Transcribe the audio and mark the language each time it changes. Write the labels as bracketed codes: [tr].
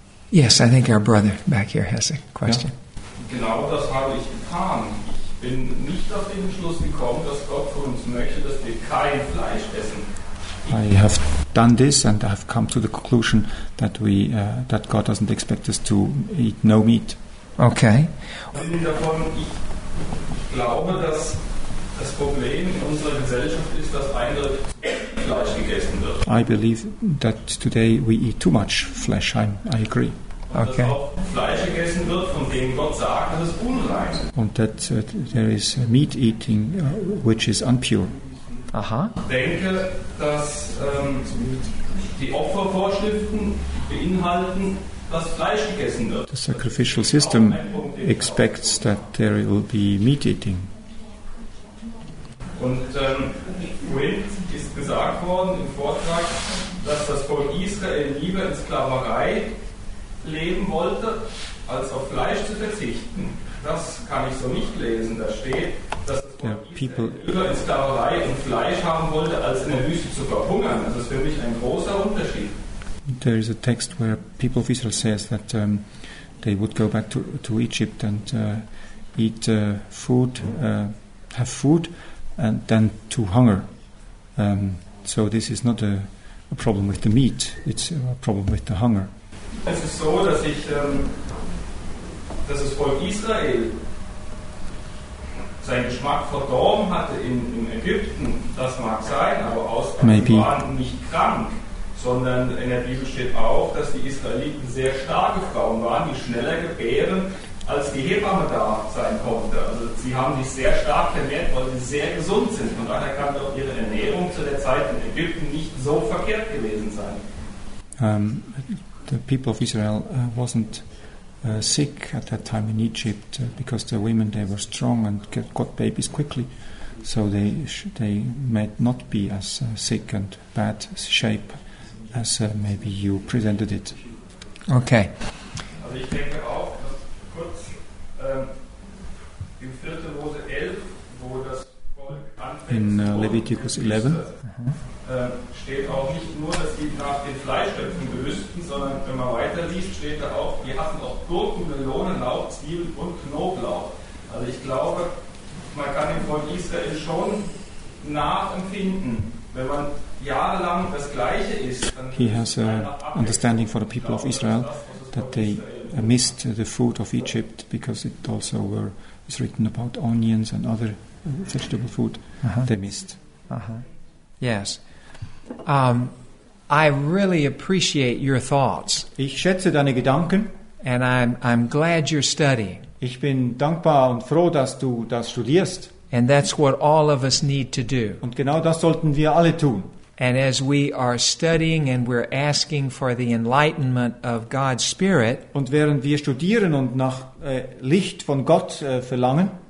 [en] Yes, I think our brother back here has a question. [de] Ja. Genau das habe ich getan. Ich bin nicht auf den Schluss gekommen, dass Gott von uns möchte, dass wir kein Fleisch essen. [en] I have done this and I have come to the conclusion that that God doesn't expect us to eat no meat. Okay. [de] Ich glaube, dass das Problem in unserer Gesellschaft ist, dass eindeutig Fleisch gegessen wird. [en] I believe that today we eat too much flesh. I agree. Okay. [de] Dass auch Fleisch gegessen wird, von dem Gott sagt, das ist unrein. Und [en] that there is meat eating, which is unpure. Aha. [de] Ich denke, dass die Opfervorschriften beinhalten, dass Fleisch gegessen wird. [en] The sacrificial system expects that there will be meat eating. [de] Und Wint ist gesagt worden im Vortrag, dass das Volk Israel lieber in Sklaverei leben wollte, als auf Fleisch zu verzichten. Das kann ich so nicht lesen. Da steht, dass der [en] People [de] lieber in Sklaverei und Fleisch haben wollte, als in der Wüste zu verhungern. Das ist für mich ein großer Unterschied. [en] There is a text where people of Israel says that they would go back to Egypt and eat food, have food, and then to hunger. So this is not a problem with the meat, it's a problem with the hunger. [de] Es ist so, dass ich, dass das Volk Israel seinen Geschmack verdorben hatte in Ägypten, das mag sein, aber sie waren nicht krank, sondern in der Bibel steht auch, dass die Israeliten sehr starke Frauen waren, die schneller gebären, als die Hebamme da sein konnte. Also sie haben sich sehr stark ernährt, weil sie sehr gesund sind. Von daher kann doch ihre Ernährung zu der Zeit in Ägypten nicht so verkehrt gewesen sein. [en] The people of Israel wasn't sick at that time in Egypt because the women, they were strong and got babies quickly, so they might not be as sick and bad shape as maybe you presented it. Okay. [de] Also ich denke auch, dass kurz im 4. Mose 11, wo das Volk anfängt, [en] in Leviticus 11, [de] steht auch nicht nur, dass sie nach den Fleischtöpfen gelüsten, sondern wenn man weiterliest, steht da auch, die hatten auch Gurken, Melonen, Lauch, Zwiebeln und Knoblauch. Also ich glaube, man kann dem Volk Israel schon nachempfinden, wenn man jahrelang das Gleiche isst. [en] He has an understanding for the people of Israel that they missed the food of Egypt because it also were, it's written about onions and other vegetable food they missed. Yes. I really appreciate your thoughts. [de] Ich schätze deine Gedanken. [en] And I'm glad you're studying. [de] Ich bin dankbar und froh, dass du das studierst. [en] And that's what all of us need to do. [de] Und genau das sollten wir alle tun. [en] And as we are studying and we're asking for the enlightenment of God's Spirit, [de] und während wir studieren und nach Licht von Gott verlangen,